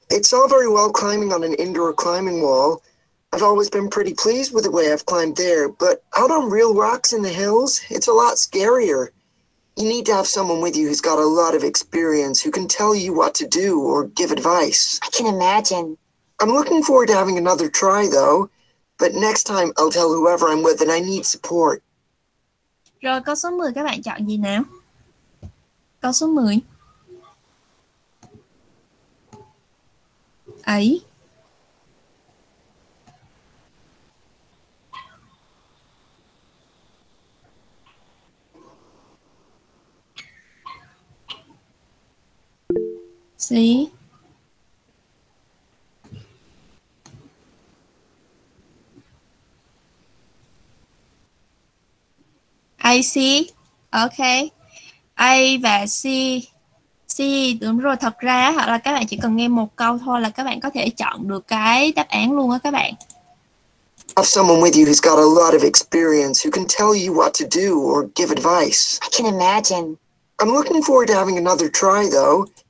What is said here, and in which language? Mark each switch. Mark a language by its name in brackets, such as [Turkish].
[English] It's all very well climbing on an indoor climbing wall. I've always been pretty pleased with the way I've climbed there, but out on real rocks in the hills, it's a lot scarier. You need to have someone with you who's got a lot of experience, who can tell you what to do or give advice. I can imagine. I'm looking forward to having another try, though. But next time, I'll tell whoever I'm with that I need support. [Vietnamese] Rồi câu số 10 các bạn chọn gì nào? Câu số 10. Ấy. Sí. [English] I see. Ok. I và see. See, [Vietnamese] đúng rồi. Thật ra hoặc là các bạn chỉ cần nghe một câu thôi là các bạn có thể chọn được cái đáp án luôn á các bạn. [English] Have someone with you who's got a lot of experience, who can tell you what to do or give advice. I can imagine. I'm looking forward to having another try though.